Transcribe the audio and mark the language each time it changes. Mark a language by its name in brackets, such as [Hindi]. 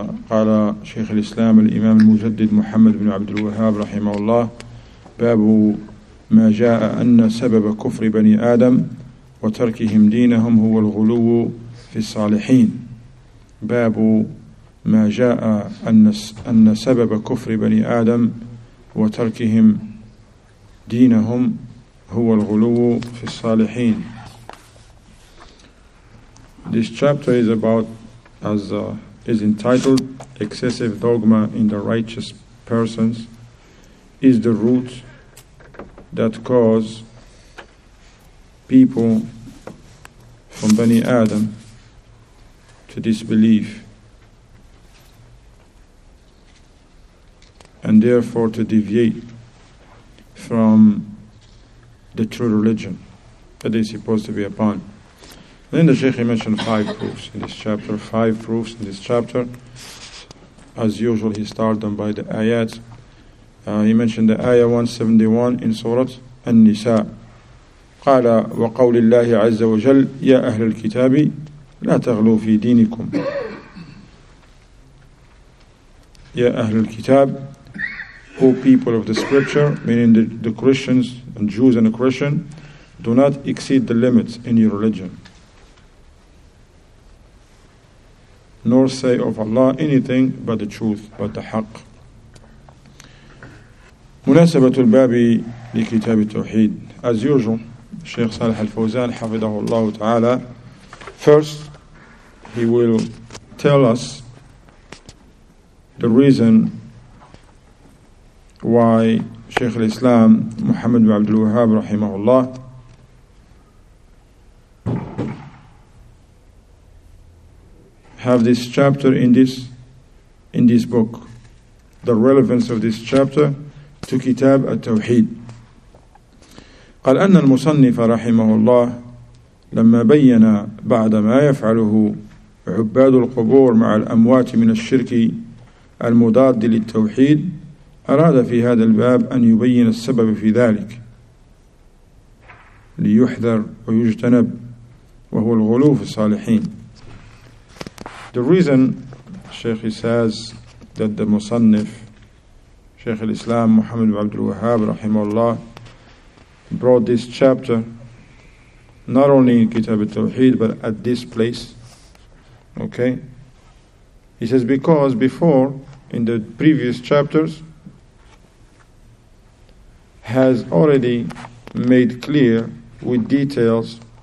[Arabic] قال شيخ الإسلام الإمام المجدد محمد بن عبد الوهاب رحمه الله باب ما جاء أن سبب كفر بني آدم وتركهم دينهم هو الغلو في الصالحين. باب ما جاء أن سبب كفر بني آدم وتركهم دينهم هو الغلو في الصالحين. [English] This chapter is about, as is entitled, excessive dogma in the righteous persons is the root that cause people from Bani Adam to disbelieve and therefore to deviate from the true religion that they're supposed to be upon. And then the Sheikh mentioned five proofs in this chapter. Five proofs in this chapter. As usual, he started them by the ayat. He mentioned the ayah 171 in Surah النساء. [Arabic] قال وقول الله عز وجل يا أهل الكتاب لا تغلوا في دينكم. يا أهل الكتاب, [English] O people of the scripture, meaning the Christians and Jews and the Christian, do not exceed the limits in your religion, nor say of Allah anything but the truth, but the haqq. [Arabic] مناسبة الباب لكتاب التوحيد. [English] As usual, Sheikh Salih al-Fawzan, [Arabic] حفظه الله تعالى, [English] first, he will tell us the reason why Sheikh al-Islam, Muhammad ibn Abdul Wahhab, [Arabic] رحمه الله, [English] have this chapter in this book, the relevance of this chapter to Kitab al-Tawheed. [Arabic] قال أن المصنف رحمه الله لما بين بعد ما يفعله عباد القبور مع الأموات من الشرك المضاد للتوحيد أراد في هذا الباب أن يبين السبب في ذلك ليحذر ويجتنب, وهو الغلو في الصالحين. [English] The reason Sheikh says that the مصنف Sheikh al-Islam Muhammad ibn Abdul Wahhab [Arabic] رحمه الله [English] brought this chapter not only in Kitab al-Tawheed but at this place, okay, he says, because before, in the previous chapters, has already made clear with details